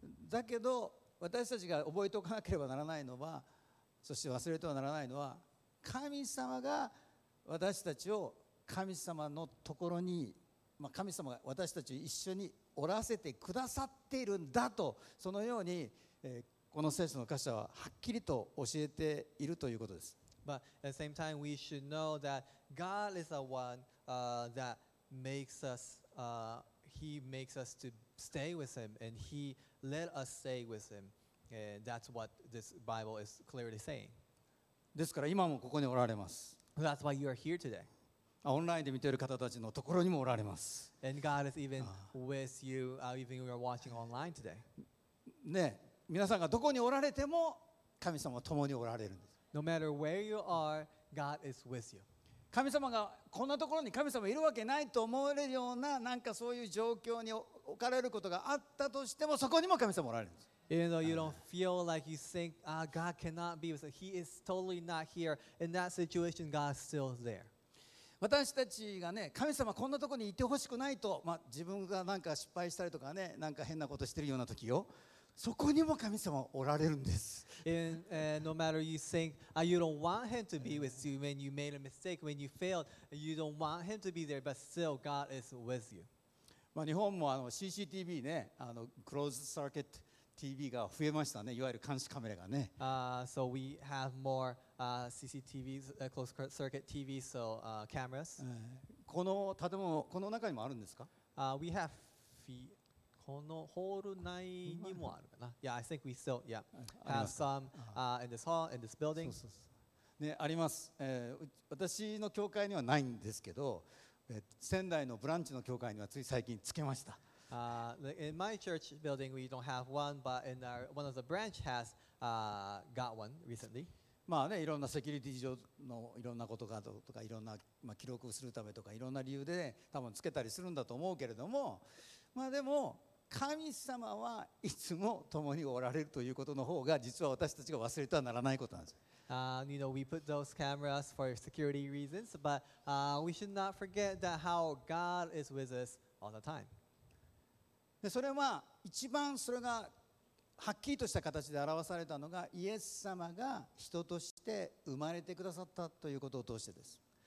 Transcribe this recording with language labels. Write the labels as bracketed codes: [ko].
[ja] だけど私たちが覚えておかなければならないのは、そして忘れてはならないのは、神様が私たちを神様のところに、まあ、神様が私たちを一緒におらせてくださっているんだと、そのように、この聖書の箇所ははっきりと教えているということです。 [en] But at the same time, we should know that God is the one that makes us, He makes us to stay with Him, and He let us stay with Him. And that's what this Bible is clearly saying. [ja] ですから今もここにおられます。 [en] That's why you are here today. [ja] オンラインで見ている方たちのところにもおられます。 [en] And God is even with you, even we are watching online today. [ja] ね、皆さんがどこにおられても神様は共におられるんです。 [en] No matter where you are, God is with you. [ja] 神様がこんなところに神様いるわけないと思われるようななんかそういう状況に置かれることがあったとしてもそこにも神様おられるんです。 [en] Even though you don't feel like you think, ah, God cannot be with us, He is totally not here. In that situation, God is still there. [ja] 私たちがね、神様こんなところにいてほしくないと、まあ自分がなんか失敗したりとかね、なんか変なことしてるような時よ、そこにも神様おられるんです。 [en] No matter you think, ah, you don't want Him to be with you when you made a mistake, when you failed, you don't want Him to be there, but still God is with you. [ja] まあ日本もあの CCTV ね、あのクローズサーキットTV が増えましたね。いわゆる監視カメラがね。 [en] So we have more CCTVs, closed circuit TVs, so cameras. [ja] この建物、この中にもあるんですか？ [en] We have [ja] このホール内にもあるかな。 [en] Yeah, I think we still have some in this hall, in this building. [ja] そうそうそう。ね、あります。私の教会にはないんですけど、仙台のブランチの教会にはつい最近つけました。 [en] In my church building, we don't have one, but in our one of the branch has got one recently. [ja] まあね、いろんなセキュリティ上のいろんなことがとか、いろんな、まあ、記録をするためとか、いろんな理由で、ね、多分つけたりするんだと思うけれども、まあでも神様はいつも共におられるということの方が実は私たちが忘れてはならないことなんです。 [en] You know, we put those cameras for security reasons, but we should not forget that how God is with us all the time. [ja] でそれは一番それがはっきりとした形で表されたのがイエス様が人として生まれてくださったということを通してです。